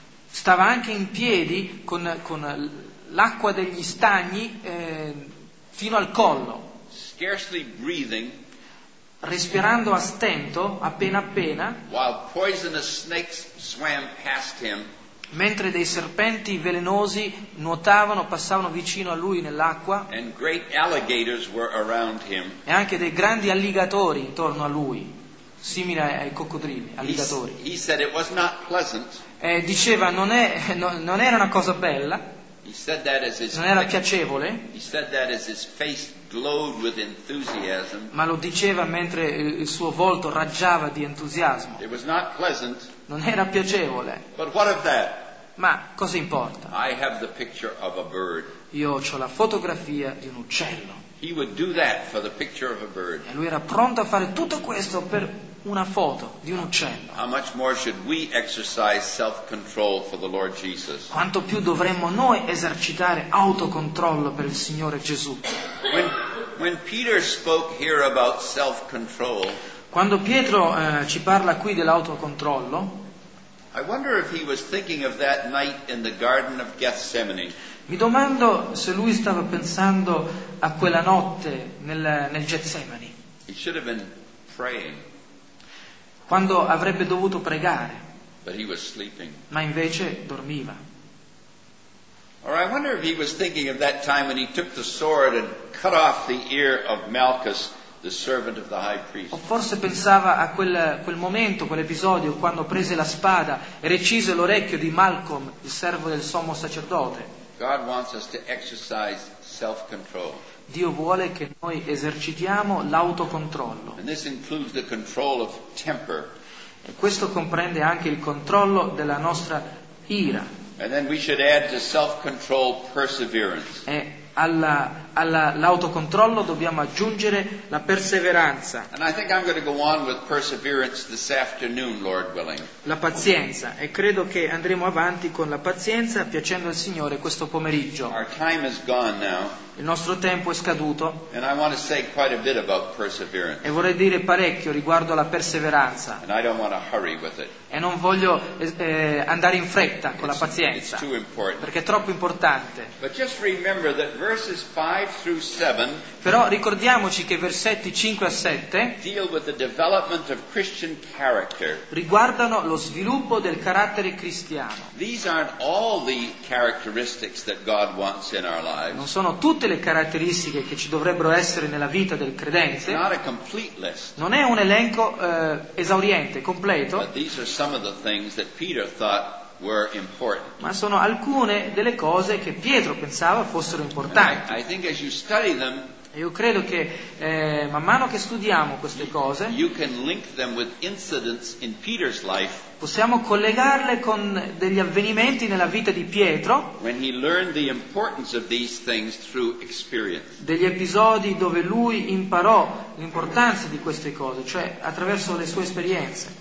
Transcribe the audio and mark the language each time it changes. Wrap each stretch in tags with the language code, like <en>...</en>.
<it>Stava anche in piedi con l'acqua degli stagni fino al collo.</it> <en>Scarcely breathing.</en> <it>Respirando a stento, appena appena.</it> <en>While poisonous snakes swam past him.</en> <it>Mentre dei serpenti velenosi nuotavano, passavano vicino a lui nell'acqua.</it> <en>And great alligators were around him.</en> <it>E anche dei grandi alligatori intorno a lui, simili ai coccodrilli, alligatori.</it> <en>He said it was not pleasant.</en> <it>Diceva, non era una cosa bella,</it> <en>he said that as his</en> <it>non era piacevole.</it> <en>He said that as his face glowed with enthusiasm.</en> <it>Ma lo diceva mentre il suo volto raggiava di entusiasmo.</it> <en>It was not pleasant.</en> <it>Non era piacevole.</it> <en>But what of that?</en> <it>Ma cosa importa?</it> <en>I have the picture of a bird.</en> <it>Io ho la fotografia di un uccello.</it> <en>He would do that for the picture of a bird.</en> <it>E lui era pronto a fare tutto questo per una foto di un uccello.</it> <en>How much more should we exercise self-control for the Lord Jesus?</en> <it>Quanto più dovremmo noi esercitare autocontrollo per il Signore Gesù?</it> <en>When Peter spoke here about self-control,</en> <it>quando Pietro ci parla qui dell'autocontrollo,</it> <en>I wonder if he was thinking of that night in the Garden of Gethsemane.</en> <it>Mi domando se lui stava pensando a quella notte nel Getsemani.</it> <en>He should have been praying.</en> <it>Quando avrebbe dovuto pregare.</it> <en>But he was sleeping.</en> <it>Ma invece dormiva.</it> <en>Or I wonder if he was thinking of that time when he took the sword and cut off the ear of Malchus, the servant of the high priest.</en> <it>O forse pensava a quel momento, quell'episodio, quando prese la spada e recise l'orecchio di Malcolm, il servo del sommo sacerdote.</it> <en>God wants us to exercise self-control.</en> <it>Dio vuole che noi esercitiamo l'autocontrollo.</it> <en>And this includes the control of temper.</en> <it>E questo comprende anche il controllo della nostra ira.</it> <en>And then we should add to self-control perseverance.</en> <it>E all'autocontrollo dobbiamo aggiungere la perseveranza.</it> <en>And I think I'm going to go on with perseverance this afternoon, Lord willing.</en> <it>La pazienza, e credo che andremo avanti con la pazienza, piacendo al Signore, questo pomeriggio.</it> <en>Our time is gone now.</en> <it>Il nostro tempo è scaduto.</it> <en>And I want to say quite a bit about perseverance.</en> <it>E vorrei dire parecchio riguardo alla perseveranza.</it> <en>And I don't want to hurry with it.</en> <it>E non voglio andare in fretta con la pazienza.</it> <en>It's too important.</en> <it>Perché è troppo importante.</it> <en>But just remember that verses 5 through 7,</en> <it>però ricordiamoci che versetti 5 a 7</it> <en>deal with the development of Christian character.</en> <it>Riguardano lo sviluppo del carattere cristiano.</it> <en>These aren't all the characteristics that God wants in our lives.</en> <it>Non sono tutte le caratteristiche che ci dovrebbero essere nella vita del credente.</it> <en>Not a complete list.</en> <it>Non è un elenco esauriente, completo.</it> <en>But these are some of the things that Peter thought were important.</en> <it>Ma sono alcune delle cose che Pietro pensava fossero importanti.</it> <en>I think as you study them,</en> <it>io credo che man mano che studiamo queste cose,</it> <en>you can link them with incidents in Peter's life.</en> <it>Possiamo collegarle con degli avvenimenti nella vita di Pietro.</it> <en>When he learned the importance of these things through experience.</en> <it>Degli episodi dove lui imparò l'importanza di queste cose, cioè attraverso le sue esperienze.</it>